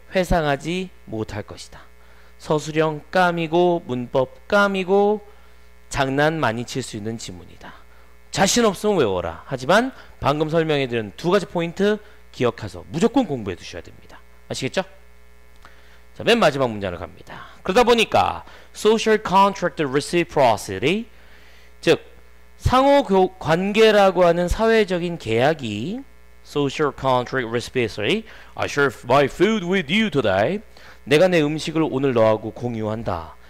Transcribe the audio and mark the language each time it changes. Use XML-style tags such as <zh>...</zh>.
<ko>회상하지 못할 것이다. 서술형 까미고 문법 까미고 장난 많이 칠 수 있는 지문이다. 자신 없으면 외워라. 하지만 방금 설명해드린 두 가지 포인트 기억해서 무조건 공부해두셔야 됩니다. 아시겠죠? 자, 맨 마지막 문장을 갑니다. 그러다 보니까</ko> <en>Social Contract Reciprocity,</en> <ko>즉 상호관계라고 하는 사회적인 계약이</ko> <en>Social Contract Reciprocity, I share my food with you today.</en> <ko>내가 내 음식을 오늘 너하고 공유한다.</ko>